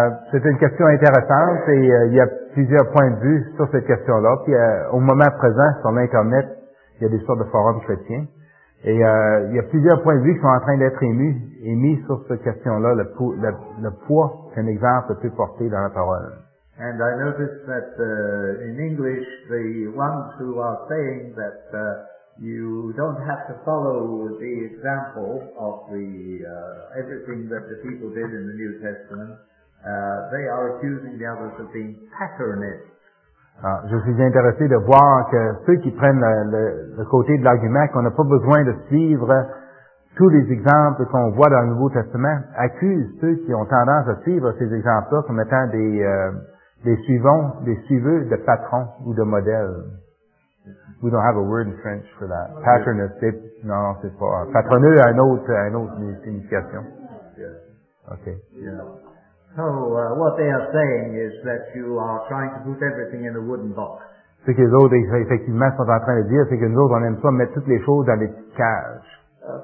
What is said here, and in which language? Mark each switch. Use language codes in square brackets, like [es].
[fr] C'est une question intéressante et il y a plusieurs points de vue sur cette question-là. Puis au moment présent sur l'internet, il y a des sortes de forums chrétiens et il y a plusieurs points de vue qui sont en train d'être émis sur cette question-là, le poids qu'un exemple peut porter dans la parole. [en] And I noticed that in English, the ones who are saying that you don't have to follow the example of the everything that the people did in the New Testament, they are accusing the others of being patternists. [fr] Je suis intéressé de voir que ceux qui prennent le côté de l'argument qu'on n'a pas besoin de suivre tous les exemples qu'on voit dans le Nouveau Testament accusent ceux qui ont tendance à suivre ces exemples-là comme étant des suiveurs de patrons ou de modèles. [en] We don't have a word in French for that. [fr] Patroness, non, c'est pas. Patronneux, une autre signification. OK. [en] So, what they are saying is that you are trying to put everything in a wooden box. [fr] Ce que les autres, effectivement, sont en train de dire, c'est que nous autres, on aime ça mettre toutes les choses dans des petites cages.